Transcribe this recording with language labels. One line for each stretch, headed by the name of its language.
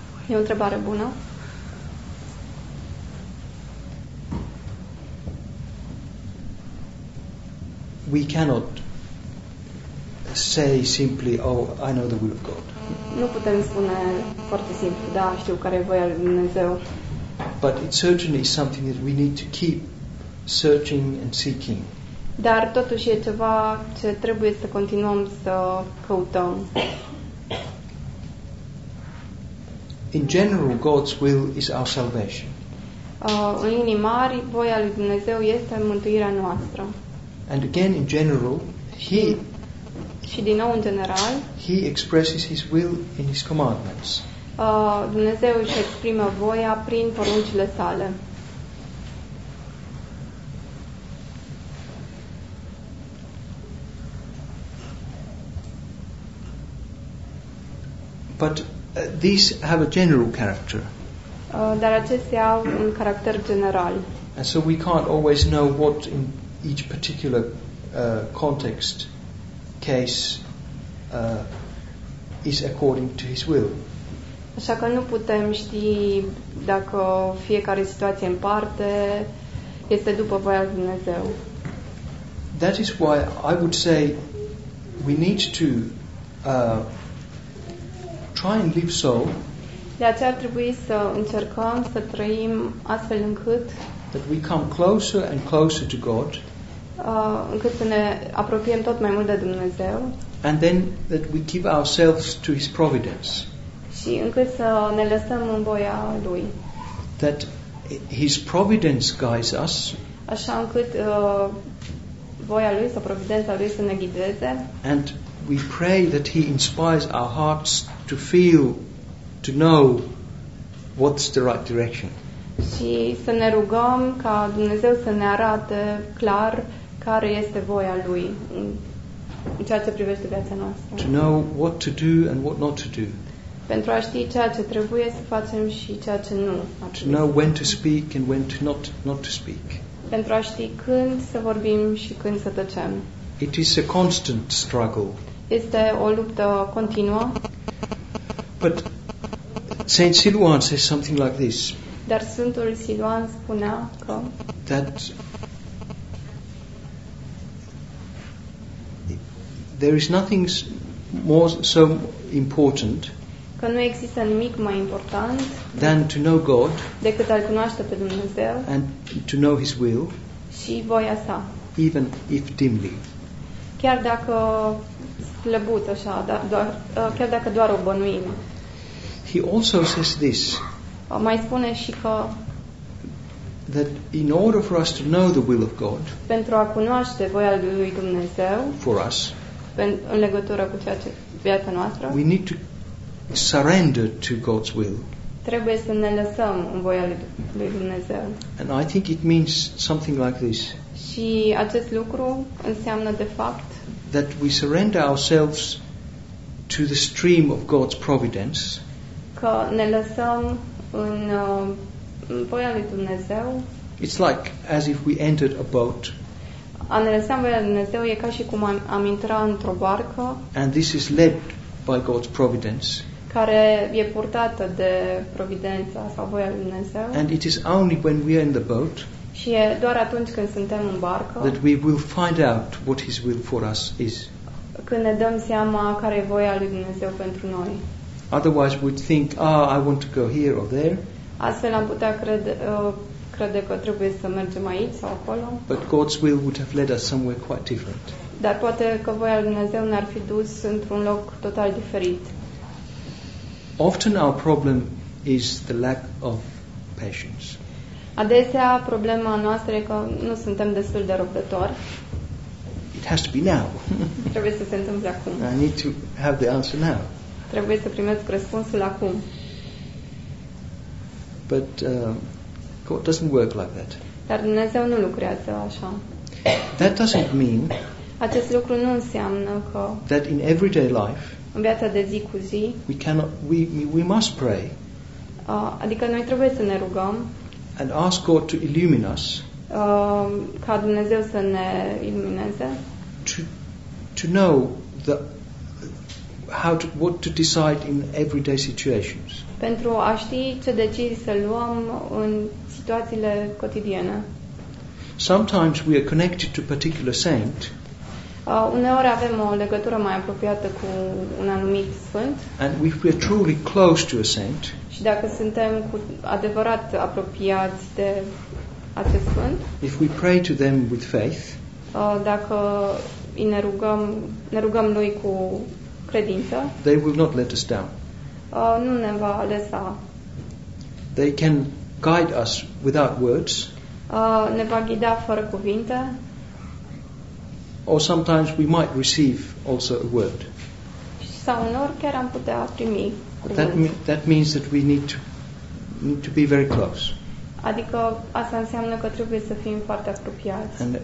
Romanian: E o întrebare bună.
English: We cannot say simply, "Oh, I know the will of God."
Romanian: Nu putem spune foarte simplu, da, știu care e voia lui Dumnezeu.
English: But it certainly is something that we need to keep searching and seeking.
Romanian: Dar totuși e ceva ce trebuie să continuăm să căutăm.
English: In general, God's will is our salvation.
Romanian: În linii mari, voia lui Dumnezeu este mântuirea noastră.
English: And again, in general,
Romanian: și din nou în general,
English: He expresses His will in His commandments.
Romanian: Dumnezeu își exprimă voia prin poruncile sale.
English: But these have a general character.
Romanian: Dar acestea au un caracter general.
English: And so we can't always know what in each particular context case is according to His will.
Romanian: Așa că nu putem ști dacă fiecare situație în parte este după voia lui Dumnezeu.
English: That is why I would say we need to try and live so.
Romanian: De aceea ar trebui să încercăm să trăim astfel încât
English: that we come closer and closer to God.
Romanian: Încât să ne apropiem tot mai mult de Dumnezeu.
English: And then that we give ourselves to His providence.
Romanian: Și încât să ne lăsăm în voia Lui.
English: That His providence guides us.
Romanian: Așa încât voia Lui sau providența Lui să ne ghideze.
English: And we pray that He inspires our hearts to feel, to know what's the right direction.
Romanian: Și să ne rugăm ca Dumnezeu să ne arate clar care este voia Lui în ceea ce privește viața noastră.
English: To know what to do and what not to do.
Romanian: pentru a ști ceea ce trebuie să facem și ceea ce nu.
English: To know when to speak and when to not to speak.
Romanian: Pentru a ști când să vorbim și când să tăcem.
English: It is a constant struggle.
Romanian: Este o luptă continuă.
English: But Saint Silouan says something like this.
Romanian: Dar Sfântul Siluan spunea că
English: that there is nothing more so important,
Romanian: că nu există nimic mai important
English: than to know God,
Romanian: decât a-L cunoaște pe Dumnezeu,
English: and to know His will,
Romanian: și voia Sa,
English: even if dimly,
Romanian: chiar dacă slăbut așa, chiar dacă doar o bănuim.
English: He also says this.
Romanian: Mai spune și că
English: that in order for us to know the will of God,
Romanian: pentru a cunoaște voia lui Dumnezeu,
English: for us,
Romanian: în legătură cu ceea ce viața noastră,
English: we need to surrender to God's will.
Romanian: Trebuie să ne lăsăm în voia lui Dumnezeu.
English: And I think it means something like this.
Romanian: Și acest lucru înseamnă de fapt
English: that we surrender ourselves to the stream of God's providence.
Romanian: Că ne lăsăm în voia lui Dumnezeu.
English: It's like as if we entered a boat.
Romanian: A ne lăsa în voia lui Dumnezeu e ca și cum am intra într-o barcă.
English: And this is led by God's providence.
Romanian: Care e purtată de providența sau voia lui Dumnezeu.
English: And it is only when we are in the boat.
Romanian: Și e doar atunci când suntem în barcă.
English: That we will find out what His will for us is.
Romanian: Când ne dăm seama care e voia lui Dumnezeu pentru noi.
English: Otherwise we'd think, ah, I want to go here or there.
Romanian: Astfel am putea crede că trebuie să mergem aici sau acolo.
English: But God's will would have led us somewhere quite different.
Romanian: Dar poate că voia lui Dumnezeu ne-ar fi dus într-un loc total diferit.
English: Often our problem is the lack of patience.
Romanian: Adesea problema noastră e că nu suntem destul de răbdători.
English: It has to be now.
Romanian: Trebuie să se întâmple acum.
English: I need to have the answer now.
Romanian: Trebuie să primesc răspunsul acum.
English: But God doesn't work like that.
Romanian: Dar Dumnezeu nu lucrează așa.
English: That doesn't mean
Romanian: acest lucru nu înseamnă că
English: that in everyday life
Romanian: în viața de zi cu zi
English: we must pray.
Romanian: Adică noi trebuie să ne rugăm
English: and ask God to illumine us.
Romanian: Ca Dumnezeu să ne ilumineze.
English: To know the what to decide in everyday situations.
Romanian: Pentru a ști ce decizii să luăm în situațiile cotidiene.
English: Sometimes we are connected to a particular saint.
Romanian: Uneori avem o legătură mai apropiată cu un anumit sfânt.
English: And if we are truly close to a saint.
Romanian: Și dacă suntem cu adevărat apropiați de acest sfânt.
English: If we pray to them with faith.
Romanian: Dacă îi ne rugăm lui cu credință.
English: They will not let us down.
Romanian: Nu ne va lăsa.
English: They can guide us without words.
Romanian: Ne va ghida fără cuvinte.
English: Or sometimes we might receive also a word.
Romanian: Sau uneori chiar am putea primi cuvânt.
English: That means that we need to be very close.
Romanian: Adică asta înseamnă că trebuie să fim foarte apropiați.